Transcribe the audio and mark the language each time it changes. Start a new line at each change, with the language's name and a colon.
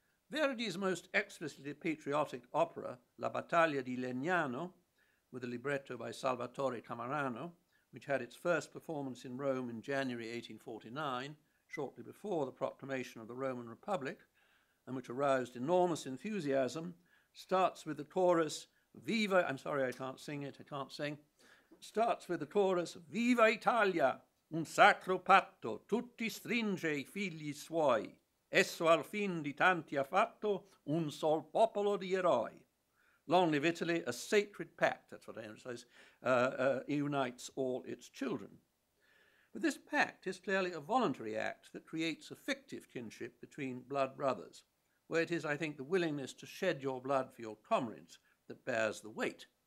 English: Verdi's most explicitly patriotic opera, La Battaglia di Legnano, with a libretto by Salvatore Camarano, which had its first performance in Rome in January 1849, shortly before the proclamation of the Roman Republic, and which aroused enormous enthusiasm, starts with the chorus, Viva, I'm sorry, I can't sing. Starts with the chorus,
Italian: Viva Italia, un sacro patto, tutti stringe i figli suoi, esso al fin di tanti ha fatto, un sol popolo di eroi.
English: Long live Italy, a sacred pact, that's what I emphasize, unites all its children. But this pact is clearly a voluntary act that creates a fictive kinship between blood brothers, where it is, I think, the willingness to shed your blood for your comrades that bears the weight.